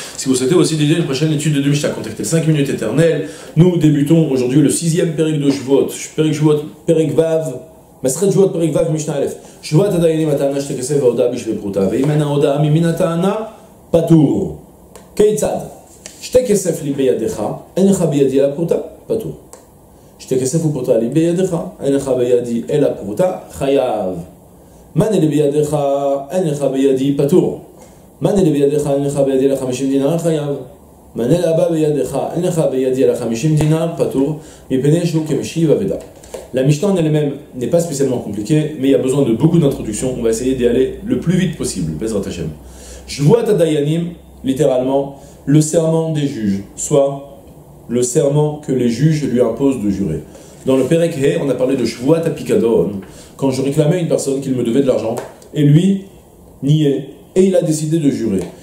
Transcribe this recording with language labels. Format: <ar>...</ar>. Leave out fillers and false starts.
<fr>Si vous souhaitez aussi dédier une prochaine étude de Mishnah, contactez le 5 minutes éternelles. Nous débutons aujourd'hui le 6e Perik de Shvot, Perik Vav.</fr> <he>מסכת שבועות פרק ו' משנה א', שבועת הדיינים הטענה שתי כסף ההודעה בשביל פרוטה, ואם אין ההודעה ממין הטענה, פטור. כיצד? שתי כסף לי בידיך, אין לך בידי אלא פרוטה, פטור. שתי כסף ופרוטה לי בידיך, אין לך בידי אלא פרוטה, חייב. מנה לי בידיך, אין לך בידי, פטור. מנה לי בידיך, אין לך בידי אלא 50 דינר, חייב. מנה לבא בידיך, אין לך בידי אלא 50 דינר, פטור, מפני שהוא כמשיב אבדה.</he> <fr>La Mishnah en elle-même n'est pas spécialement compliquée, mais il y a besoin de beaucoup d'introduction. On va essayer d'y aller le plus vite possible.</fr> <he>Bezrat Hashem.</he> <fr>Shvuat Adayanim, littéralement, le serment des juges, soit le serment que les juges lui imposent de jurer. Dans le Perek He, on a parlé de Shvuat Apikadon, quand je réclamais à une personne qu'il me devait de l'argent, et lui niait, et il a décidé de jurer.</fr>